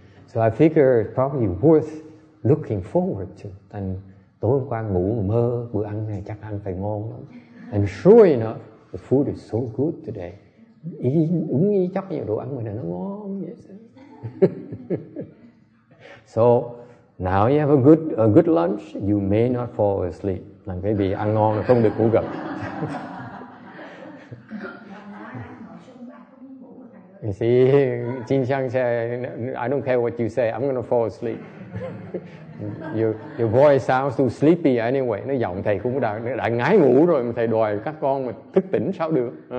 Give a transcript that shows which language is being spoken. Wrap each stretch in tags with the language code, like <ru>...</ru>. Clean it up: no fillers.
<en>So I figure it's probably worth looking forward to.</en> <vi>And tối hôm qua ngủ mơ bữa ăn này chắc ăn phải ngon lắm.</vi> <en>And sure enough, the food is so good today.</en> <vi>Ý đúng ý chắc như đồ ăn mình nó ngon vậy.</vi> <en>So now you have a good lunch, you may not fall asleep.</en> <vi>Là cái vì ăn ngon là không được ngủ gật.</vi> <en>You see, Jin Xiang said, I don't care what you say, I'm going to fall asleep. Your voice sounds too sleepy anyway.</en> <vi>Nó giọng thầy cũng đã ngái ngủ rồi mà thầy đòi các con mà thức tỉnh sao được.</vi>